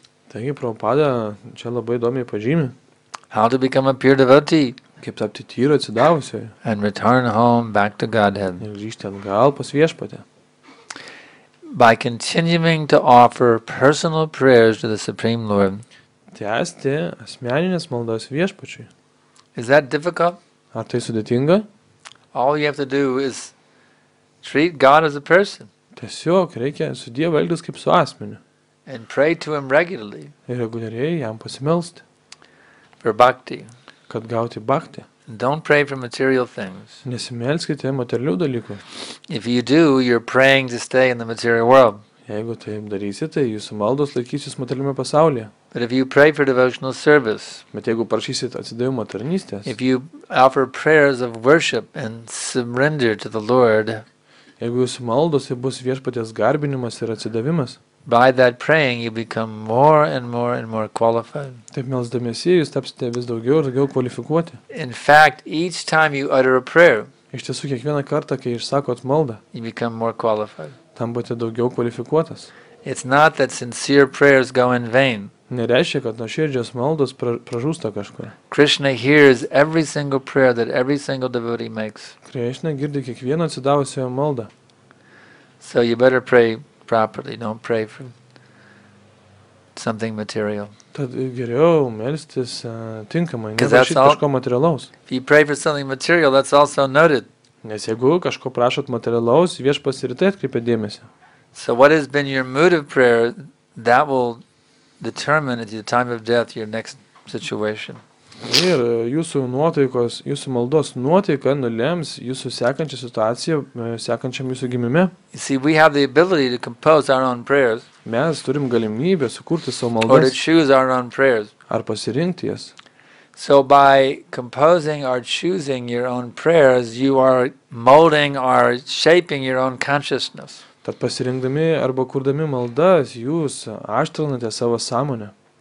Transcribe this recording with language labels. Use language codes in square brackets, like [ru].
[lt] Taigi, Prabhupada čia labai įdomiai pažymė. [en] How to become a pure devotee. [lt] Kaip tapti tyru atsidavusiu. [en] And return home back to Godhead. [lt] Ir grįžti atgal pas viešpatį. [en] By continuing to offer personal prayers to the Supreme Lord. [lt] Tęsti asmeninės maldas viešpačiui. [en] Is that difficult? [lt] Ar tai sudėtinga? [en] All you have to do is treat God as a person. [lt] Tiesiog reikia su Dievu elgtis kaip su asmeniu. [en] And pray to him regularly. [lt] Ir reguliariai jam pasimelsti. [en] For bhakti. [lt] Kad gauti bhakti. [en] Don't pray for material things. [lt] Nesimelskite materialių dalykų. [en] If you do, you're praying to stay in the material world. [lt] Jeigu taip darysite, jūsų maldos laikysis materialiame pasaulyje. [en] But if you pray for devotional service. [lt] Bet jeigu prašysite atsidavimo tarnystės. [en] If you offer prayers of worship and surrender to the Lord. [lt] Jeigu jūs maldos, tai bus Viešpaties garbinimas ir atsidavimas. [en] By that praying you become more and more and more qualified. [lt] Taip melsdamiesi, jūs tapsite vis daugiau ir daugiau kvalifikuoti. [en] In fact, each time you utter a prayer, [lt] iš tiesų, kiekvieną kartą, kai išsakot maldą, [en] you become more qualified. [lt] Tampate daugiau kvalifikuotas. [en] It's not that sincere prayers go in vain. [lt] Nereiškia, kad nuoširdžios maldos pražūsta kažkur. [en] Krishna hears every single prayer that every single devotee makes. [lt] Krishna girdi kiekvieno atsidavusiojo maldą. [en] So you better pray properly, don't pray for something material. [lt] Tad geriau melstis tinkamai, neprašyti kažko materialaus. [en] If you pray for something material, that's also noted. [lt] Nes jeigu kažko prašot materialaus, Viešpats ir tai atkreipia dėmesį. [en] So what has been your mood of prayer, that will determine at the time of death your next situation. [lt] Ir jūsų nuotaikos, jūsų maldos nuotaika nulems jūsų sekančią situaciją, sekančiam jūsų gimime. [en] You see, we have the ability to compose our own prayers. [lt] Mes turim galimybę sukurti savo maldas. [en] Or to choose our own prayers. [lt] Ar pasirinkti jas. [en] So by composing or choosing your own prayers, you are molding or shaping your own consciousness. [lt] Tad pasirinkdami arba kurdami maldas, jūs aštrinate savo sąmonę.